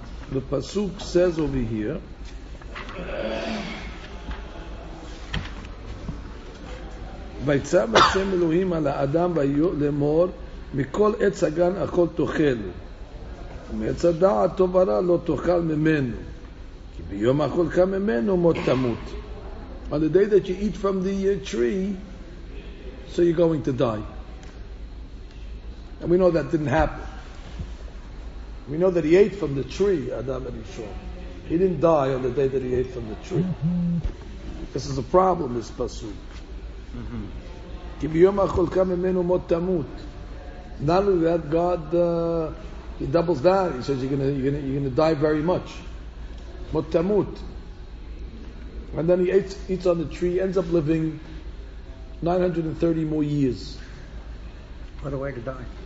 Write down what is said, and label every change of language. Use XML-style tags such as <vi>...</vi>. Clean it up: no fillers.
<en>The Pasuk says over here,</en> <he>ויצא השם אלוהים על האדם לאמור מכל עץ הגן אכול תאכל ומעץ הדעת טוב ורע לא תאכל ממנו כי ביום אכול קם ממנו מות תמות.</he> <en>On the day that you eat from the tree, so you're going to die. And we know that didn't happen. We know that he ate from the tree, Adam Arishon. He didn't die on the day that he ate from the tree. This is a problem, this pasuk.</en> <he>כי ביום אכול קם ממנו מות תמות.</he> <en>Not only that, God he doubles that. He says you're gonna die very much.</en> <he>מות תמות.</he> <en>And then he eats on the tree, ends up living 930 more years. What a way to die.</en>